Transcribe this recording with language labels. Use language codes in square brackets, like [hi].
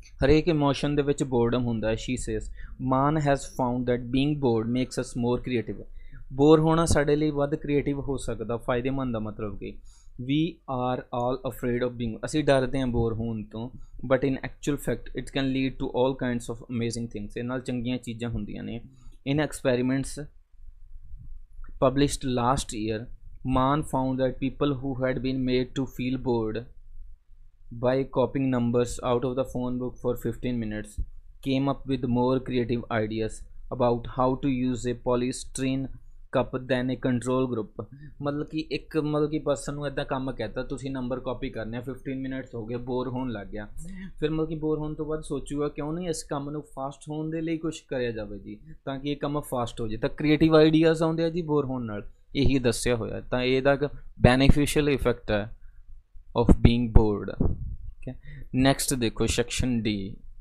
[pa] ਹਰੇਕ ਇਮੋਸ਼ਨ ਦੇ ਵਿੱਚ ਬੋਰਡਮ ਹੁੰਦਾ ਹੈ. [en] She says Mann has found that being bored makes us more creative. [pa] Bore ਹੋਣਾ ਸਾਡੇ ਲਈ ਵੱਧ ਕ੍ਰੀਏਟਿਵ ਹੋ ਸਕਦਾ, ਫਾਇਦੇਮੰਦ ਦਾ ਮਤਲਬ ਕਿ [en] we are all afraid of being, [pa] ਅਸੀਂ ਡਰਦੇ ਹਾਂ ਬੋਰ ਹੋਣ ਤੋਂ, [en] But in actual fact it can lead to all kinds of amazing things. [pa] ਇਹ ਨਾਲ ਚੰਗੀਆਂ ਚੀਜ਼ਾਂ ਹੁੰਦੀਆਂ ਨੇ. [en] In experiments published last year, Mann found that people who had been made to feel bored by copying numbers out of the phone book for 15 minutes came up with more creative ideas about how to use a polystyrene cup than a control group. [pa] ਮਤਲਬ ਕਿ ਇੱਕ ਮਤਲਬ ਕਿ person ਨੂੰ ਇੱਦਾਂ ਕੰਮ ਕਹਿਤਾ, ਤੁਸੀਂ ਨੰਬਰ ਕਾਪੀ ਕਰਨੇ ਆ, 15 ਮਿੰਟਸ ਹੋ ਗਏ, ਬੋਰ ਹੋਣ ਲੱਗ ਗਿਆ. ਫਿਰ ਮਤਲਬ ਕਿ ਬੋਰ ਹੋਣ ਤੋਂ ਬਾਅਦ ਸੋਚੂਗਾ ਕਿਉਂ ਨਹੀਂ ਇਸ ਕੰਮ ਨੂੰ ਫਾਸਟ ਹੋਣ ਦੇ ਲਈ ਕੁਛ ਕਰਿਆ ਜਾਵੇ ਜੀ, ਤਾਂ ਕਿ ਇਹ ਕੰਮ ਫਾਸਟ ਹੋ ਜਾਵੇ, ਤਾਂ ਕ੍ਰੀਏਟਿਵ ਆਈਡੀਆਜ਼ ਆਉਂਦੇ ਆ ਜੀ ਬੋਰ ਹੋਣ ਨਾਲ. ਇਹੀ ਦੱਸਿਆ ਹੋਇਆ, ਤਾਂ ਇਹਦਾ ਬੈਨੀਫਿਸ਼ੀਅਲ ਇਫੈਕਟ ਹੈ [en] Of being bored. [pa] ਨੈਕਸਟ ਦੇਖੋ, ਸੈਕਸ਼ਨ ਡੀ,